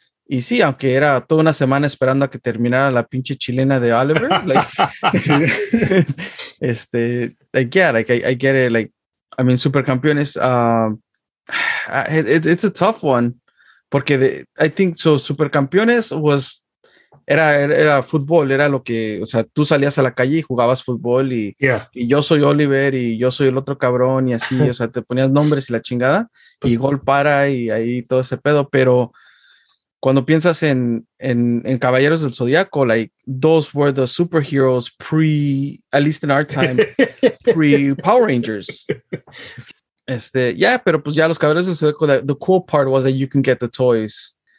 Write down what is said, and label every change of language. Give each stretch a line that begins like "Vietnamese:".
Spanish: Y sí, aunque era toda una semana esperando a que terminara la pinche chilena de Oliver.
English: Like, like yeah, like I get it. Like, I mean, Supercampeones, it's a tough one. Porque I think so Supercampeones was...
Spanish: Era fútbol, era lo que, o sea, tú salías a la calle y jugabas fútbol y,
English: yeah.
Spanish: Y yo soy Oliver y yo soy el otro cabrón y así, o sea, te ponías nombres y la chingada y gol para y ahí todo ese pedo.
English: Pero cuando piensas en Caballeros del Zodiaco, like, those were the superheroes pre, at least in our time, pre Power Rangers. Yeah, pero pues ya los Caballeros del Zodiaco, the cool part was that you can get the toys.